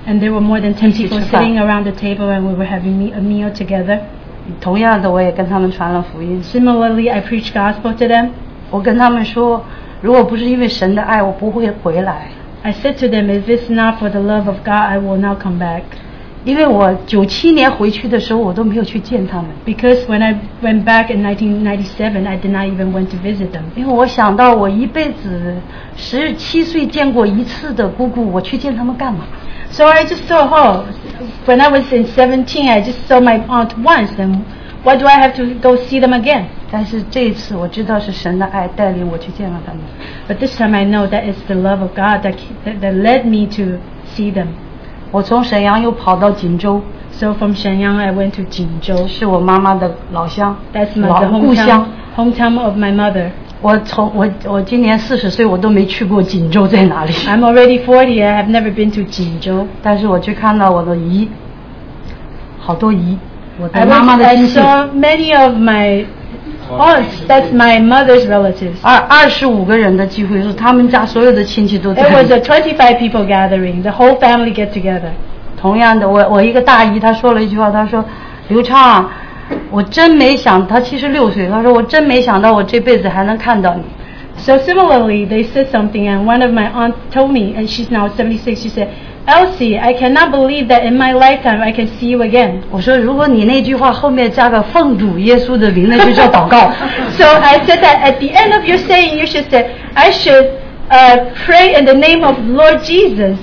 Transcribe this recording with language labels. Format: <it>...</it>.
<en>and there were more than 10 people sitting around the table and we were having a meal together.</en> <zh>同样的我也跟他们传了福音。</zh> <en>Similarly, I preached gospel to them.</en> <zh>我跟他们说, 如果不是因为神的爱, 我不会回来。</zh> <en>I said to them, if it's not for the love of God, I will not come back.</en> <zh>因为我97年回去的时候, 我都没有去见他们。</zh> <en>Because when I went back in 1997, I did not even went to visit them.</en> <zh>因为我想到我一辈子 17岁见过一次的姑姑, 我去见他们干嘛。</zh> <en>So I just thought, oh, when I was in 17, I just saw my aunt once, and why do I have to go see them again?</en> <zh>但是这一次我知道是神的爱带领我去见了他们。</zh> <en>But this time I know that it's the love of God that led me to see them.</en> <zh>我从沈阳又跑到锦州。</zh> <en>So from Shenyang, I went to Jinzhou.</en> <zh>是我妈妈的老乡,</zh> <en>that's my hometown of my mother.</en> <zh>我今年40岁, 我都没去过锦州在哪里。</zh> <en>I'm already 40, I have never been to 锦州。</en> <zh>但是我去看到我的姨, 好多姨, 我的妈妈的亲戚。</zh> <en>I saw many of my aunts, that's my mother's relatives.</en> <zh>25个人的聚会, 是他们家所有的亲戚都在。</zh> <en>It was a 25 people gathering, the whole family get together.</en> <zh>同样的, 我一个大姨, 她说了一句话, 她说, 刘畅, 我真没想, 她76岁, 她说, 我真没想到我这辈子还能看到你。</zh> <en>So similarly, they said something, and one of my aunts told me, and she's now 76, she said, Elsie, I cannot believe that in my lifetime I can see you again.</en> <zh>我说, 如果你那句话后面加个奉主耶稣的名, 那就叫祷告。</zh> <en>So I said that at the end of your saying, you should say, I should pray in the name of Lord Jesus.</en>